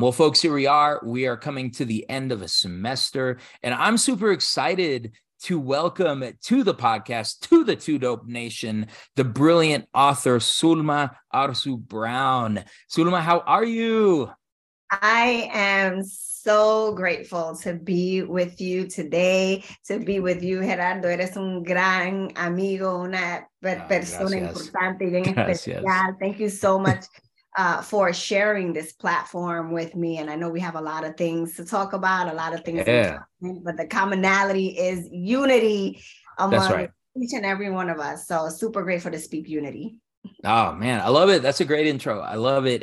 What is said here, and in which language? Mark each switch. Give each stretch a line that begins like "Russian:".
English: Well, folks, here we are. We are coming to the end of a semester, and I'm super excited to welcome to the podcast, to the Two Dope Nation, the brilliant author Sulma Arzu-Brown. Sulma, how are you? I am so grateful to be with you today, to be with you, Gerardo.
Spanish: Eres un gran amigo, una persona importante y en especial.
English: Thank you so much. for sharing this platform with me. And I know we have a lot of things to talk about, a lot of things, but the commonality is unity among each and every one of us. So super grateful to speak unity. Oh man, I love it. That's a great intro. I love it.